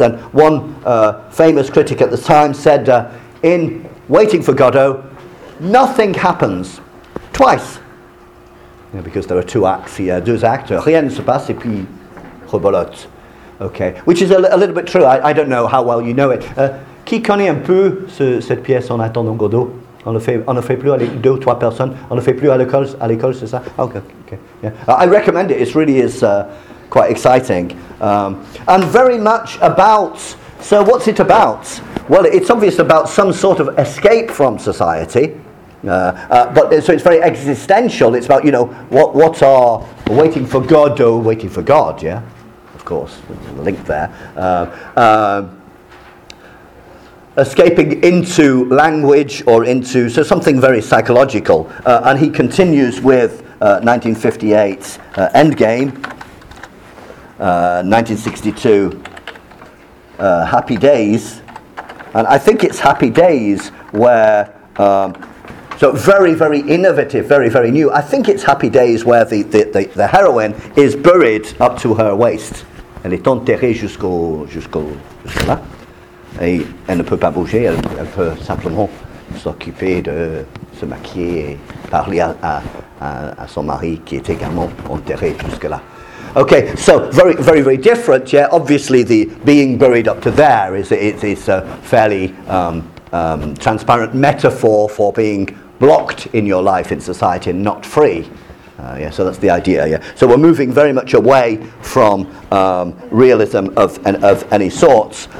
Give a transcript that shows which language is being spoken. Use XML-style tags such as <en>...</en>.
<en>And one famous critic at the time said, "In Waiting for Godot, nothing happens twice." Yeah, because there are two acts here,</en> <fr>deux actes. Rien ne se passe et puis rebelote.</fr> <en>Okay, which is a little bit true. I don't know how well you know it.</en> <fr>Qui connaît un peu cette pièce En attendant Godot? On le fait plus à l'école, deux ou trois personnes. On le fait plus à l'école, c'est ça?</fr> <en>Okay. Yeah. I recommend it. It really is quite exciting. And very much about... So what's it about? Well, it's obviously about some sort of escape from society. So it's very existential. It's about, you know, what are waiting for Godot, waiting for God, yeah? Of course, there's a link there. Escaping into language or into, so something very psychological. And he continues with 1958, Endgame, 1962, Happy Days. And I think it's Happy Days where, so very, very innovative, very, very new. I think it's Happy Days where the heroine is buried up to her waist.</en> <fr>Elle est enterrée jusqu'au là, et elle ne peut pas bouger. Elle peut simplement s'occuper de se maquiller et parler à son mari qui est également enterré jusque là.</fr> <en>Okay, so very, very, very different. Yeah, obviously the being buried up to there is a fairly transparent metaphor for being blocked in your life in society and not free. So that's the idea. Yeah. So we're moving very much away from realism of any sorts.</en>